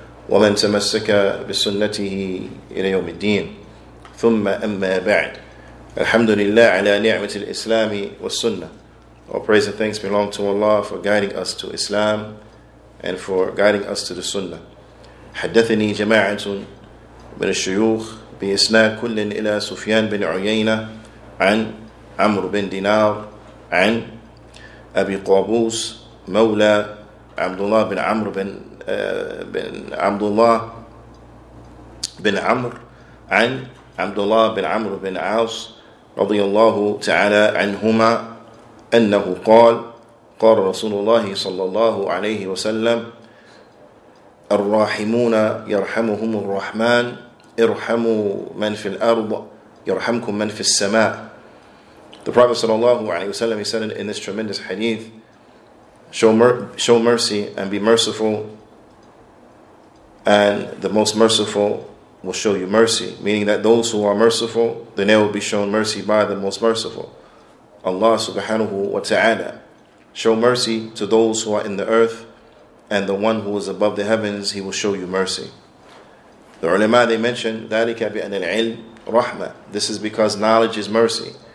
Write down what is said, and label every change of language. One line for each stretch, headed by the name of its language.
Arabic: وَمَنْ تَمَسَّكَ بِسُنَّتِهِ إِلَى يَوْمِ الدِّينِ ثُمَّ أَمَّا بَعْدِ الْحَمْدُ لِلَّهِ عَلَى نِعْمَةِ الْإِسْلَامِ وَالسُّنَّةِ
English: All praise and thanks belong to Allah for guiding us to Islam and for guiding us to the Sunnah.
Arabic: حَدَّثَنِي جَمَاعَةٌ مِنَ الشُّيُوخِ بِإِسْنَا كُلٍ إِلَى سُفْيَانِ بِنْ عُيَيْنَةِ عَنْ عَمْرُ بِنْ دِنَارِ عَنْ أَبِي قَابُوسِ مَوْلَى عَبْدُ اللَّهِ بِنْ عَمْرُ بِنْ بن عبد الله بن عمرو عن عبد الله بن عمرو بن عاص رضي الله تعالى عنهما أنه قال قال رسول الله صلى الله عليه وسلم الراحمون يرحمهم الرحمن ارحموا من في الأرض يرحمكم من في السماء
English: The Prophet صلى الله عليه وسلم he said in this tremendous hadith show mercy and be merciful And the most merciful will show you mercy. Meaning that those who are merciful, then they will be shown mercy by the most merciful. Allah subhanahu wa ta'ala. Show mercy to those who are in the earth. And the one who is above the heavens, he will show you mercy. The ulama, they mentioned,
Arabic: ذَلِكَ بِأَنَّ الْعِلْمِ رَحْمَةً
English: This is because knowledge is mercy.